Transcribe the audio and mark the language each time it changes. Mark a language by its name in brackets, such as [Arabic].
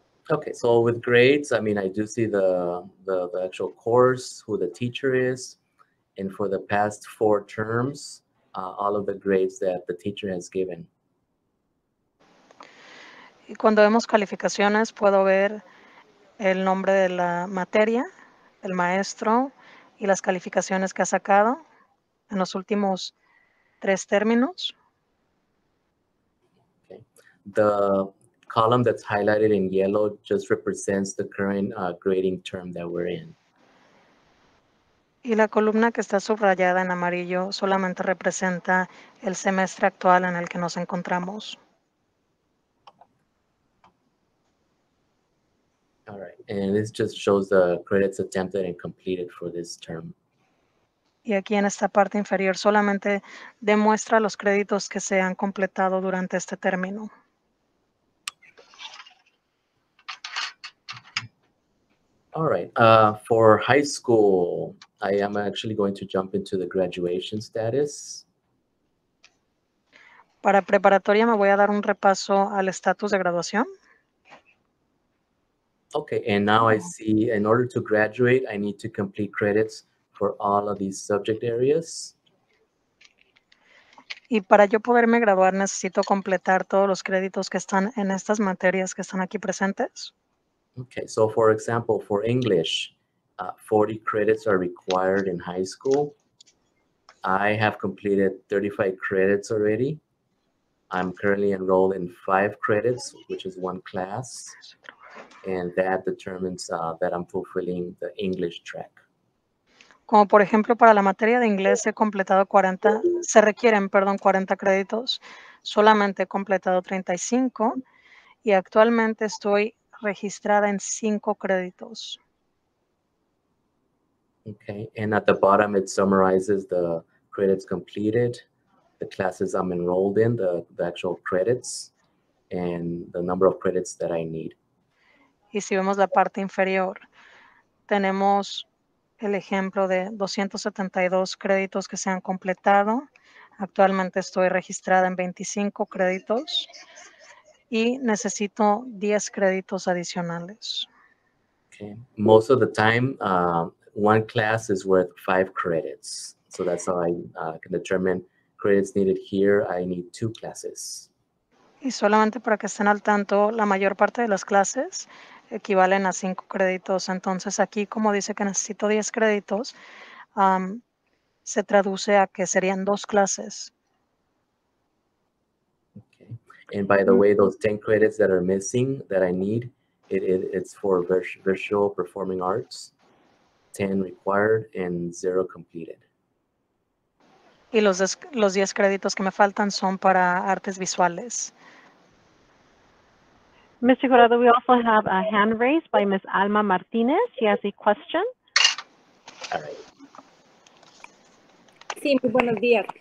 [English] Okay, so with grades, I mean, I do see the actual course, who the teacher is, and for the past 4 terms, all of the grades that the teacher has given. [Spanish] Y cuando vemos calificaciones, puedo ver el nombre de la materia, el maestro, y las calificaciones que ha sacado en los últimos 3 términos. [English] Okay. The column that's highlighted in yellow just represents the current grading term that we're in. [Spanish] Y la columna que está subrayada en amarillo solamente representa el semestre actual en el que nos encontramos. [English] All right, and this just shows the credits attempted and completed for this term. [Spanish] Y aquí en esta parte inferior solamente demuestra los créditos que se han completado durante este término. [English] All right, for high school, I am actually going to jump into the graduation status. [Spanish] Para preparatoria me voy a dar un repaso al estatus de graduación. [English] Okay, and now I see in order to graduate, I need to complete credits for all of these subject areas. [Spanish] Y para yo poderme graduar, necesito completar todos los créditos que están en estas materias que están aquí presentes. [English] Okay, so for example, for English, 40 credits are required in high school. I have completed 35 credits already. I'm currently enrolled in 5 credits, which is one class. and that determines that I'm fulfilling the English track. [Spanish] Como por ejemplo, para la materia de inglés he completado 40, se requieren, perdón, 40 créditos, solamente he completado 35 y actualmente estoy registrada en 5 créditos. [English] Okay, and at the bottom it summarizes the credits completed, the classes I'm enrolled in, the actual credits, and the number of credits that I need. [Spanish] Y si vemos la parte inferior, tenemos el ejemplo de 272 créditos que se han completado. Actualmente estoy registrada en 25 créditos y necesito 10 créditos adicionales. [English] Okay. Most of the time, one class is worth 5 credits. So that's how I can determine credits needed here. I need 2 classes. [Spanish] Y solamente para que estén al tanto, la mayor parte de las clases equivalen a 5 créditos. Entonces, aquí, como dice que necesito 10 créditos, se traduce a que serían 2 clases. [English] Okay. And by the way, those 10 credits that are missing that I need, it's for visual performing arts, 10 required and 0 completed. [Spanish] Y los 10 créditos que me faltan son para artes visuales. [English] Mr. Jurado, we also have a hand raised by Ms. Alma Martinez. She has a question. All right. [Spanish] Sí, muy buenos días.